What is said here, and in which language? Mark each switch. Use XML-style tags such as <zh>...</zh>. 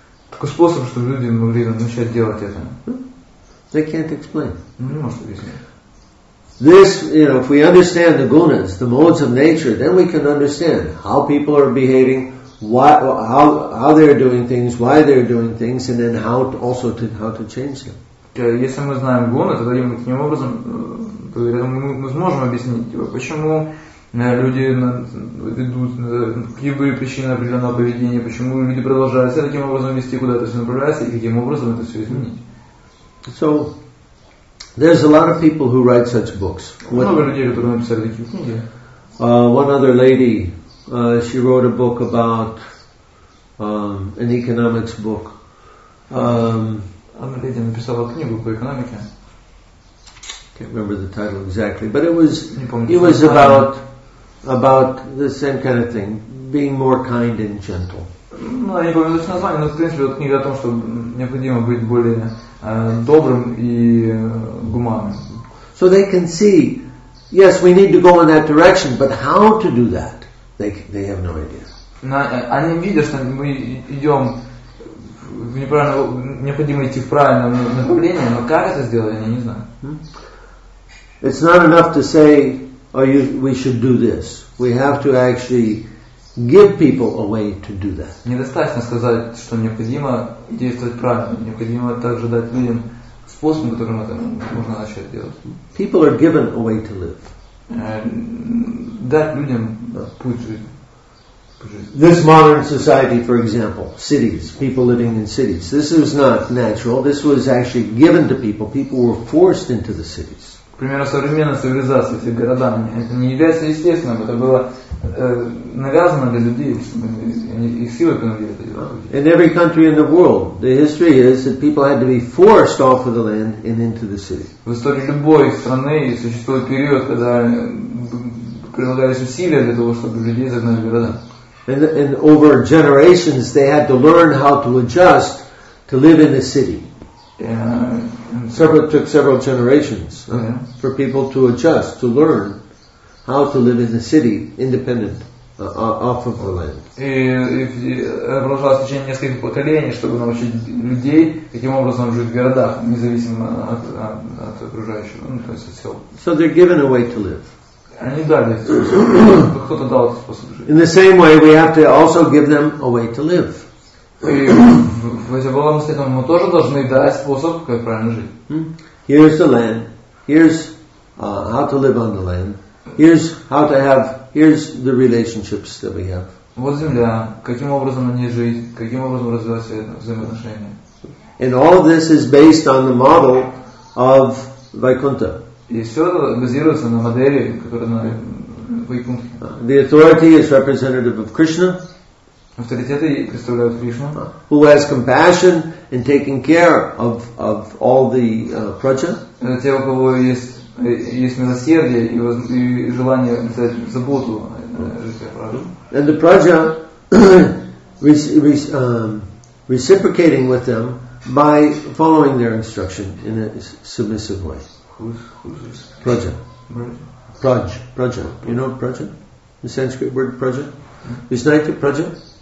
<ru>Такой способ, чтобы люди могли начать делать это.</ru> <en>They can't explain.</en> <ru>Не может объяснить.</ru> <en>This, you know, if we understand the gunas, the modes of nature, then we can understand how people are behaving, how they're doing things, why they're doing things, and then how to change them.</en> <ru>Если мы знаем гуны, тогда мы таким образом, мы сможем объяснить, типа, почему люди ведут, какие были причины определенного поведения, почему люди продолжают себя таким образом вести, куда это все направляется, и каким образом это все изменить.</ru> <en>So, there's a lot of people who write such books.</en> <ru>Много людей, которые написали такие книги.</ru> <en>One other lady, she wrote a book about an economics book.</en> <ru>Одна леди написала книгу по экономике.</ru> <en>Can't remember the title exactly, but it was about the same kind of thing, being more kind and gentle.</en> <ru>Ну, я не помню точно название, но в принципе вот книга о том, что необходимо быть более добрым и гуманным.</ru> <en>So they can see, yes, we need to go in that direction, but how to do that, they have no idea.</en> <ru>Они видят, что мы идем в неправильное, необходимо идти в правильном направлении, но как это сделать, они не знают.</ru> <en>It's not enough to say, we should do this. We have to actually give people a way to do that.</en> <ru>Недостаточно сказать, что необходимо действовать правильно. Необходимо также дать людям способ, которым это можно начать делать.</ru> <en>People are given a way to live.</en> <ru>Дать людям путь жизни.</ru> <en>This modern society, for example, cities, people living in cities. This was not natural. This was actually given to people. People were forced into the cities.</en> <ru>К примеру, современная цивилизация, эти города, это не является естественным, это было навязано для людей, их силы принудили это делать.</ru> <en>In every country in the world, the history is that people had to be forced off of the land and into the city.</en> <ru>В истории любой страны существует период, когда прилагались усилия для того, чтобы людей загнали в города.</ru> <en>And over generations, they had to learn how to adjust to live in the city. It took several generations for people to adjust, to learn how to live in the city independent off of the land.</en> <ru>Продолжалось в течение нескольких поколений, чтобы научить людей таким образом жить в городах, независимо от окружающего, то есть от сел.</ru> <en>So they're given a way to live.</en> <ru>Они дали этот способ. Кто-то дал этот способ жить.</ru> <en>In the same way, we have to also give them a way to live.</en> <ru>в эти волосы там мы тоже должны дать способ, как правильно жить.</ru> <en>Here's the land. Here's how to live on the land. Here's how to have. Here's the relationships that we have.</en> <ru>Вот земля. Каким образом на ней жить? Каким образом развиваться взаимоотношения?</ru> <en>And all of this is based on the model of Vaikuntha.</en> <ru>И все это базируется на модели, которая на Вайкунтхе.</ru> <en>The authority is representative of Krishna.</en> <ru>Авторитеты представляют Кришну.</ru> <en>Who has compassion in taking care of all the praja.</en> <ru>Те, у кого есть милосердие и желание взять заботу о жителях пражи.</ru> <en>And the praja reciprocating with them by following their instruction in a submissive way. Praja. You know praja? The Sanskrit word praja? Is that the praja?</en>